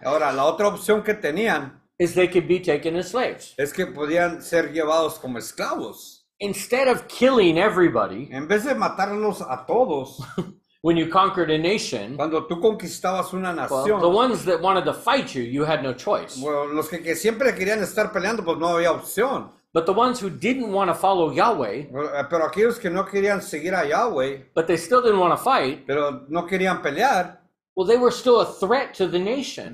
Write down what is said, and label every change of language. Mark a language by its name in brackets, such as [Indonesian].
[Spanish] ahora la otra opción que tenían, [English] is they could be taken as slaves. [Spanish] Es que podían ser llevados como esclavos. [English] Instead of killing everybody, [Spanish] en vez de matarlos a todos, [English] when you conquered a nation, [Spanish] cuando tú conquistabas una nación, [English] well, the ones that wanted to fight you had no choice. [Spanish] Bueno, los que siempre querían estar peleando, pues no había opción. [English] But the ones who didn't want to follow Yahweh, [Spanish] pero aquellos que no querían seguir a Yahweh, [English] but they still didn't want to fight, [Spanish] pero no querían pelear, [English] well, they were still a threat to the nation.